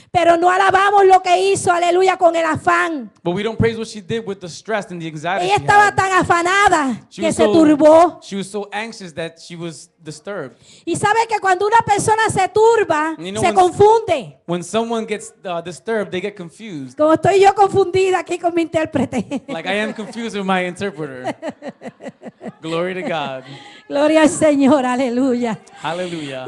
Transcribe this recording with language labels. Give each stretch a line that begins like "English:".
Spanish: Pero no alabamos lo que hizo, aleluya, con el afán.
English: But we don't praise what she did with the stress and the anxiety.
Spanish: Ella estaba tan afanada
English: she
Spanish: que se turbó.
English: She was so anxious that she was disturbed.
Spanish: Y sabe que cuando una persona se turba,
English: you know,
Spanish: se confunde.
English: When someone gets disturbed, they get confused.
Spanish: Como estoy yo confundida aquí con mi intérprete.
English: Like I am confused with my interpreter. Glory to God.
Spanish: Gloria al Señor, aleluya.
English: Hallelujah.